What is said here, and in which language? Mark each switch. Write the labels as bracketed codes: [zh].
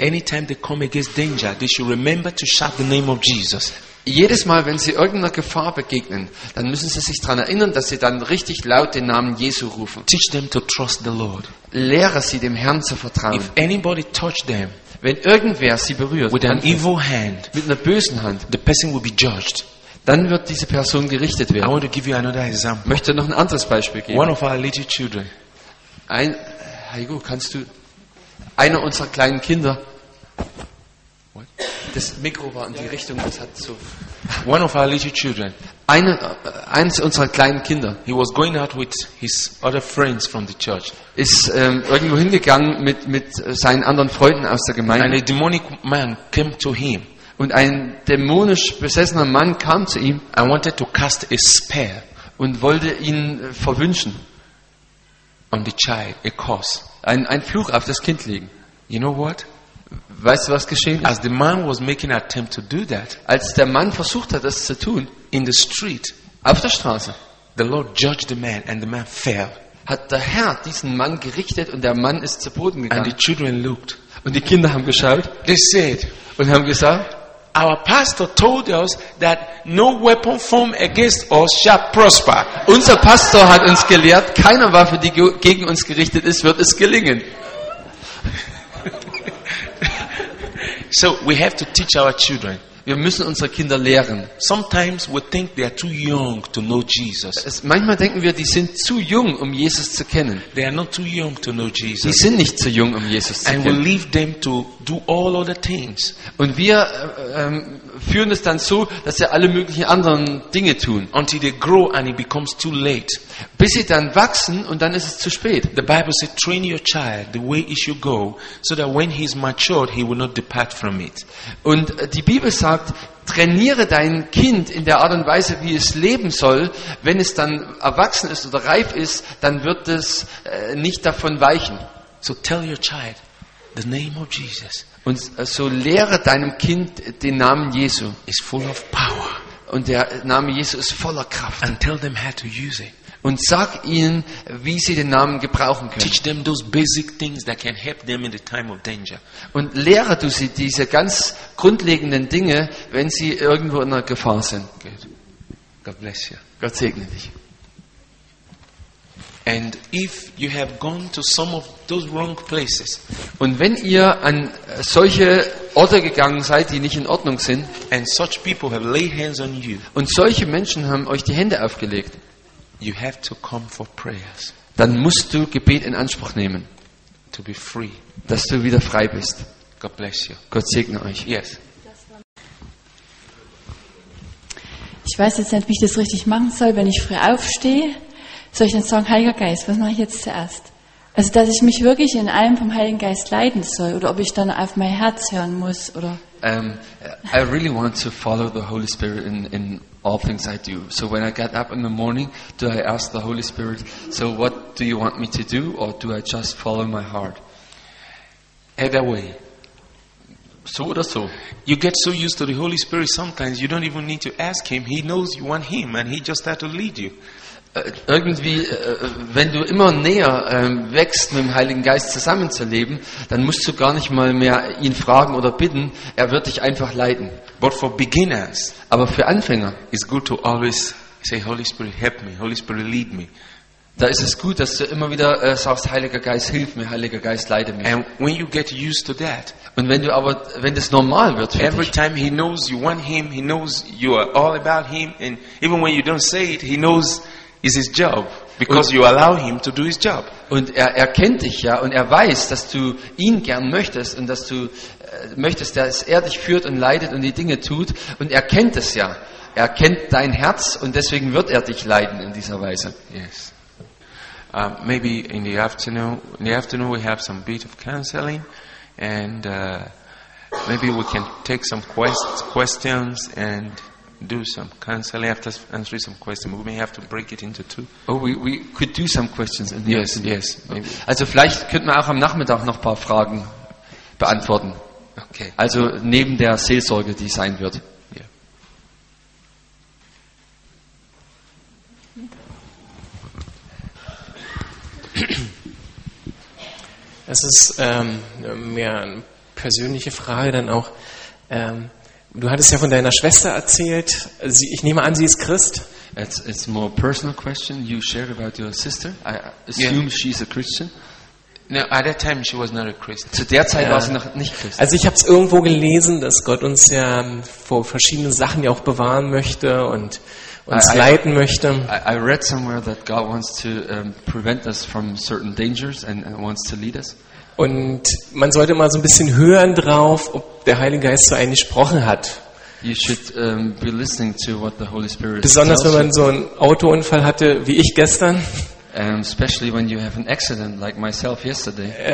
[en] Anytime they come against danger, they should remember to shout the name of Jesus. [de] Jedes Mal, wenn sie irgendeiner Gefahr begegnen, dann müssen sie sich daran erinnern, dass sie dann richtig laut den Namen Jesu rufen. [en] Teach them to trust the Lord. [de] Lehre sie, dem Herrn zu vertrauen. [en] If anybody touch them, [de] wenn irgendwer sie berührt, [en] with an evil hand, [de] mit einer bösen Hand, [en] the person will be judged. [de] Dann wird diese Person gerichtet werden. [en] I want to give you another example. [de] Ich möchte noch ein anderes Beispiel geben. [en] One of our little children. [de] Heigo, kannst du einer unserer kleinen Kinder? [en] What? [de] Das Mikro war in die Richtung, das hat so. [en] One of our little children. [de] Eines unserer kleinen Kinder. [en] He was going out with his other friends from the church. [de] Ist irgendwo hingegangen mit seinen anderen Freunden aus der Gemeinde. [en] And a demonic man came to him. [de] Und ein dämonisch besessener Mann kam zu ihm. [en] I wanted to cast a spell. [de] Und wollte ihn verwünschen. [en] On the child, a curse. [de] Ein Fluch auf das Kind legen. [en] You know what? [de] Weißt du, was geschehen ist? [en] As the man was making an attempt to do that, [de] als der Mann versucht hat, das zu tun, [en] in the street, [de] auf der Straße, [en] the Lord judged the man and the man fell. [de] Hat der Herr diesen Mann gerichtet und der Mann ist zu Boden gegangen. [en] And the children looked. [de] Und die Kinder haben geschaut. [en] They said. [de] Und haben gesagt. [en] Our pastor told us that no weapon formed against us shall prosper. [de] Unser Pastor hat uns gelehrt, keine Waffe, die gegen uns gerichtet ist, wird es gelingen. [en] So we have to teach our children. [de] Wir müssen unsere Kinder lehren. [en] Sometimes we think they are too young to know Jesus. [de] Manchmal denken wir, die sind zu jung, um Jesus zu kennen. [en] They are not too young to know Jesus. [de] Die sind nicht zu jung, um Jesus zu kennen. [en] And we leave them to do all other things. [de] Und wir führen es dann so, dass sie alle möglichen anderen Dinge tun. [en] Until they grow and it becomes too late. [de] Bis sie dann wachsen und dann ist es zu spät. [en] The Bible says, train your child the way it should go, so that when he is matured, he will not depart from it. [de] Und die Bibel sagt, trainiere dein Kind in der Art und Weise, wie es leben soll. Wenn es dann erwachsen ist oder reif ist, dann wird es nicht davon weichen. [en] So tell your child the name of Jesus. [de] Und so lehre deinem Kind den Namen Jesu. [en] Is full of power. [de] Und der Name Jesu ist voller Kraft. [en] And tell them how to use it. [de] Und sag ihnen, wie sie den Namen gebrauchen können. [en] Teach them those basic things that can help them in the time of danger. [de] Und lehre du sie diese ganz grundlegenden Dinge, wenn sie irgendwo in einer Gefahr sind. [en] Good. God bless you. [de] Gott segne dich. [en] And if you have gone to some of those wrong places. [de] Und wenn ihr an solche Orte gegangen seid, die nicht in Ordnung sind. [en] And such people have laid hands on you. [de] Und solche Menschen haben euch die Hände aufgelegt. [en] You have to come for prayers. [de] Dann musst du Gebet in Anspruch nehmen. [en] To be free. [de] Dass du wieder frei bist. [en] God bless you. [de] Gott segne euch. [en] Yes. [de] Ich weiß jetzt nicht, wie ich das richtig machen soll, wenn ich früh aufstehe. Soll ich dann sagen, Heiliger Geist, was mache ich jetzt zuerst? Also, dass ich mich wirklich in allem vom Heiligen Geist leiten soll oder ob ich dann auf mein Herz hören muss oder... [en] I really want to follow the Holy Spirit in all things I do. So when I get up in the morning, do I ask the Holy Spirit, so what do you want me to do, or do I just follow my heart? Either way. [de] So oder so. [en] You get so used to the Holy Spirit sometimes, you don't even need to ask him. He knows you want him, and he just had to lead you. [de] Irgendwie, wenn du immer näher wächst, mit dem Heiligen Geist zusammenzuleben, dann musst du gar nicht mal mehr ihn fragen oder bitten. Er wird dich einfach leiten. [en] But for beginners, [de] aber für Anfänger, [en] it's good to always say, Holy Spirit, help me. Holy Spirit, lead me. [de] Da ist es gut, dass du immer wieder sagst, Heiliger Geist, hilf mir, Heiliger Geist, leite mich. [en] And when you get used to that, [de] und wenn du aber, wenn das normal wird für [en] every [de] dich, [en] time he knows you want him, he knows you are all about him, and even when you don't say it, he knows. Is his job because you allow him to do his job. [de] Und er kennt dich ja und er weiß, dass du ihn gern möchtest und dass du möchtest, dass er dich führt und leitet und die Dinge tut und er kennt es ja. Er kennt dein Herz und deswegen wird er dich leiten in dieser Weise. [en] Yes. Maybe in the afternoon we have some bit of counseling and maybe we can take some questions and do some counseling after answering some questions. We may have to break it into two. Oh, we could do some questions. Yes, yes. Maybe. [de] Also vielleicht könnten wir auch am Nachmittag noch ein paar Fragen beantworten. [en] Okay. [de] Also neben der Seelsorge, die sein wird. [en] Yeah. [de] Es ist mehr eine persönliche Frage dann auch. Du hattest ja von deiner Schwester erzählt. Sie, ich nehme an, sie ist Christ. [en] It's more personal question. You shared about your sister. I assume yeah. she's a Christian. No, at that time she was not a Christian. [de] Zu der Zeit war sie noch nicht Christ. Also ich habe es irgendwo gelesen, dass Gott uns ja vor verschiedenen Sachen ja auch bewahren möchte und uns leiten möchte. [en] I read somewhere that God wants to prevent us from certain dangers and wants to lead us. [de] Und man sollte mal so ein bisschen hören drauf, ob der Heilige Geist so eigentlich gesprochen hat. [en] You should, be listening to what the Holy Spirit [de] besonders wenn man so einen Autounfall hatte, wie ich gestern. [en] Especially when you have an accident like myself yesterday.